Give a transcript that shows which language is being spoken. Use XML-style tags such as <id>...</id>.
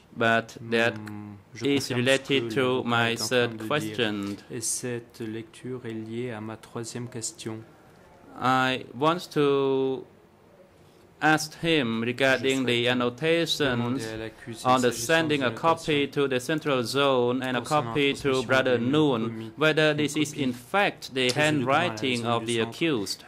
<en>But that is related to my third question.</en> <fr>Et cette lecture est liée à ma troisième question.</fr> <en>I want to asked him regarding the annotations on the sending a copy to the central zone and a copy to Brother Noon, whether this is in fact the handwriting of the accused.</en>